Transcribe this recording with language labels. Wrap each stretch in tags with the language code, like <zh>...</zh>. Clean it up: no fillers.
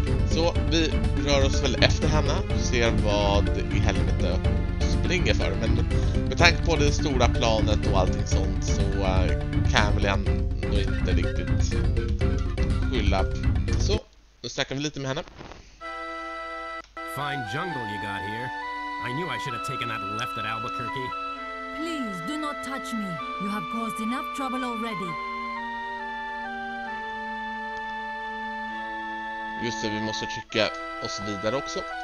<sv>Så vi rör oss väl efter henne och ser vad i helvete hon springer för. Men med tanke på det stora planet och allting sånt, så kan jag väl ändå inte riktigt skylla. Så, nu snackar vi lite med henne.</sv> <en>Fine jungle you got here. I knew I should have taken that left at Albuquerque. Please, do not touch me. You have caused enough trouble already.</en> <sv>Just det, vi måste trycka oss vidare också.</sv>